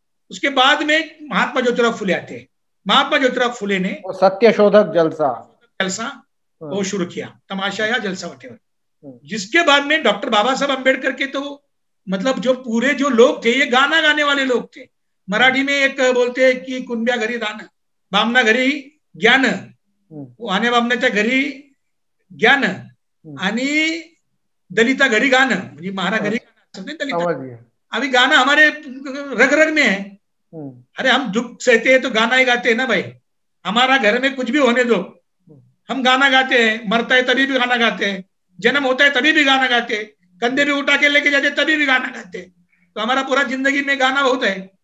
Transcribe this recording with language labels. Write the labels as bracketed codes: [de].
[hi] उसके बाद में महात्मा ज्योतिराव फुले आते हैं, महात्मा ज्योतिराव फुले ने सत्यशोधक जलसा वो शुरू किया, तमाशा या जलसा, जिसके बाद में डॉक्टर बाबा साहब अम्बेडकर के तो मतलब जो पूरे जो लोग थे ये गाना गाने वाले लोग थे। मराठी में एक बोलते हैं कि [mr] कुंब्या घरी दान बामना घरी ज्ञान, आने बामण्याच्या घरी ज्ञान आणि दलिता घरी गाण, म्हणजे महारा घरी गाणं दलिता। [hi] अभी गाणं हमारे रग-रग में है। अरे हम दुख सहते हैं तो गाना ही गाते हैं ना भाई, हमारा घर में कुछ भी होने दो हम गाना गाते हैं, मरता है तभी भी गाना गाते हैं, जन्म होता है तभी भी गाना गाते हैं, कंधे भी उठा के लेके जाते तभी भी गाना गाते हैं, तो हमारा पूरा जिंदगी में गाना बहुत है।